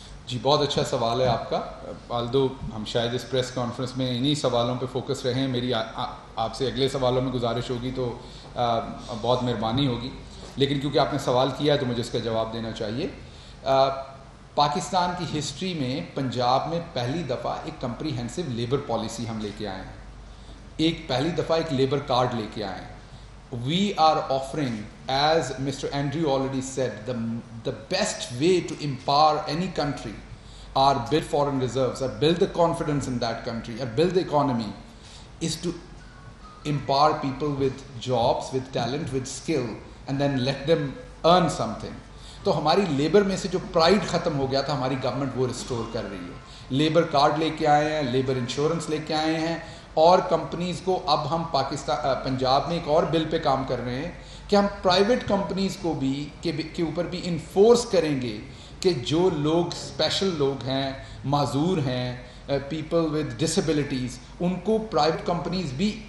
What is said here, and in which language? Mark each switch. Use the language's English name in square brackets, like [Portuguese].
[Hindi] जी बहुत अच्छा सवाल है आपका. आल्दो हम शायद इस प्रेस कॉन्फ्रेंस में इन्हीं सवालों पे फोकस रहे, मेरी आपसे अगले सवालों में गुजारिश होगी तो बहुत मेहरबानी होगी, लेकिन क्योंकि आपने सवाल किया है तो मुझे इसका जवाब देना चाहिए. पाकिस्तान की हिस्ट्री में पंजाब में पहली दफ़ा एक कंप्रीहेंसिव लेबर पॉलिसी हम लेके आए हैं, एक पहली दफ़ा एक लेबर कार्ड लेके आए हैं. [English] We are offering, as Mr. Andrew already said, the best way to empower any country are build foreign reserves, or build the confidence in that country, or build the economy, is to empower people with jobs, with talent, with skill, and then let them earn something. [Hindi] तो हमारी labour में से जो pride ख़त्म हो गया था, हमारी गवर्नमेंट वो रिस्टोर कर रही है. लेबर कार्ड लेके आए हैं, लेबर इंश्योरेंस लेके आए हैं, और कंपनीज़ को अब हम पाकिस्तान पंजाब में एक और बिल पे काम कर रहे हैं कि हम प्राइवेट कंपनीज़ को भी के ऊपर भी इन्फोर्स करेंगे कि जो लोग स्पेशल लोग हैं, माजूर हैं, [English] people with disabilities, [Hindi] उनको प्राइवेट कंपनीज़ भी